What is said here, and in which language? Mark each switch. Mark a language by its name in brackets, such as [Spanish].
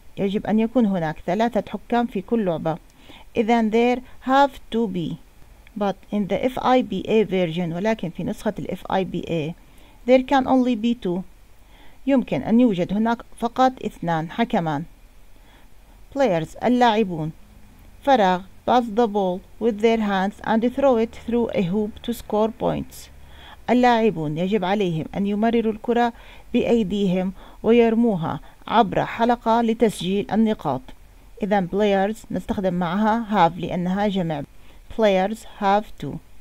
[Arabic] يجب أن يكون هناك ثلاثة حكام في كل لعبة. [English] إذن there have to be. But in the FIBA version [Arabic] ولكن في نسخة [English] FIBA there can only be two. [Arabic] يمكن أن يوجد هناك فقط اثنان حكمان. [English] Players [Arabic] اللاعبون فراغ [English] pass the ball with their hands and throw it through a hoop to score points. [Arabic] اللاعبون يجب عليهم أن يمرروا الكرة بأيديهم ويرموها عبر حلقة لتسجيل النقاط. إذن players نستخدم معها have لأنها جمع. [English] Players have to.